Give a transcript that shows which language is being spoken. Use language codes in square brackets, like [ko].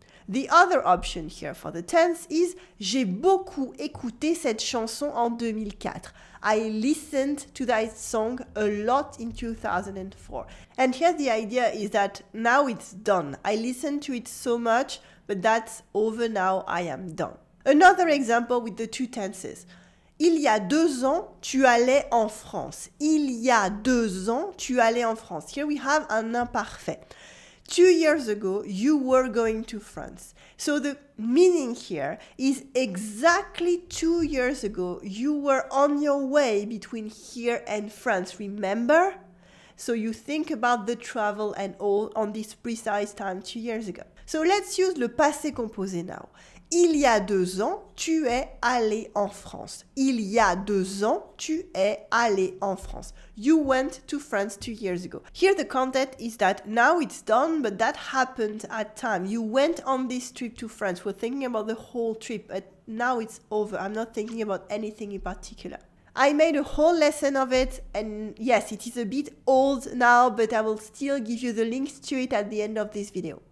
[en] The other option here for the tense is [fr] j'ai beaucoup écouté cette chanson en 2004. [en] I listened to that song a lot in 2004. And here the idea is that now it's done. I listened to it so much, but that's over now, I am done. Another example with the two tenses. [fr] Il y a deux ans, tu allais en France. Il y a deux ans, tu allais en France. [en] Here we have an imparfait. 2 years ago, you were going to France. So the meaning here is exactly 2 years ago, you were on your way between here and France, remember? So you think about the travel and all on this precise time 2 years ago. So let's use le passé composé now. [fr] Il y a deux ans, tu es allé en France. Il y a deux ans, tu es allé en France. [en] You went to France 2 years ago. Here the content is that now it's done, but that happened at time. You went on this trip to France. We're thinking about the whole trip, but now it's over. I'm not thinking about anything in particular. I made a whole lesson of it, and yes, it is a bit old now, but I will still give you the links to it at the end of this video.